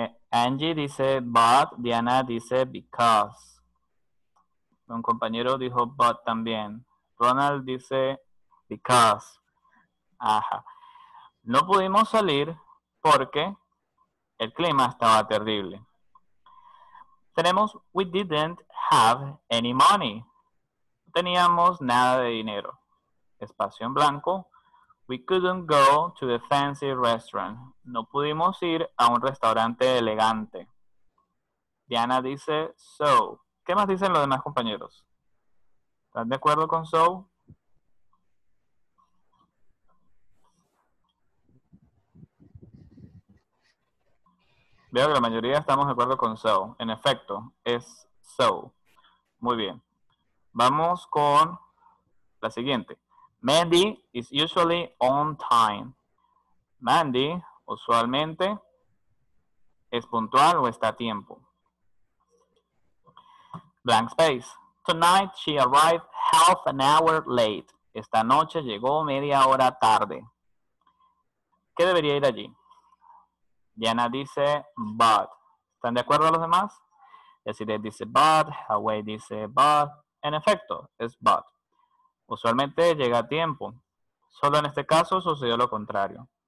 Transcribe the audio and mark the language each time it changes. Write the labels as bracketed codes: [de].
[es] Angie dice, but. Diana dice, because. Un compañero dijo, but también. Ronald dice, because. Ajá. No pudimos salir porque el clima estaba terrible. Tenemos, [en] we didn't have any money. [es] No teníamos nada de dinero. Espacio en blanco. [en] We couldn't go to a fancy restaurant. [es] No pudimos ir a un restaurante elegante. Diana dice, so. ¿Qué más dicen los demás compañeros? ¿Están de acuerdo con so? Veo que la mayoría estamos de acuerdo con so. En efecto, es so. Muy bien. Vamos con la siguiente. [en] Mandy is usually on time. [es] Mandy usualmente es puntual o está a tiempo. [en] Blank space. Tonight she arrived half an hour late. [es] Esta noche llegó media hora tarde. ¿Qué debería ir allí? Diana dice, but. ¿Están de acuerdo los demás? Yesire dice, but. Away dice, but. En efecto, es but. Usualmente llega a tiempo. Solo en este caso sucedió lo contrario.